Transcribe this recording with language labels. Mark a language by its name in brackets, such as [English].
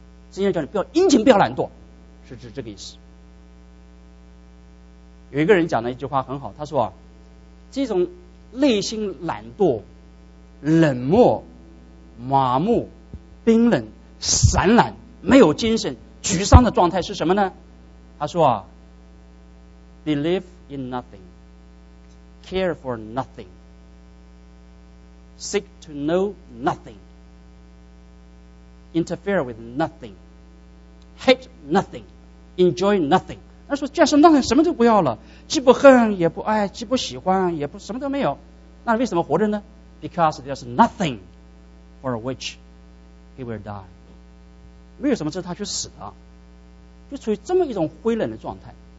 [Chinese] 圣经叫你不要殷勤，不要懒惰，是指这个意思。有一个人讲了一句话很好，他说啊，这种内心懒惰、冷漠、麻木、冰冷、散懒、没有精神、沮丧的状态是什么呢？他说啊 [English] ，believe in nothing, care for nothing, seek to know nothing, interfere with nothing, hate nothing, enjoy nothing。 [Chinese] 他说，既然是 nothing， 什么都不要了，既不恨也不爱，既不喜欢也不什么都没有，那为什么活着呢 ？ [English] Because there's nothing for which he will die。 [Chinese] 为什么这是他去死的？就处于这么一种灰冷的状态。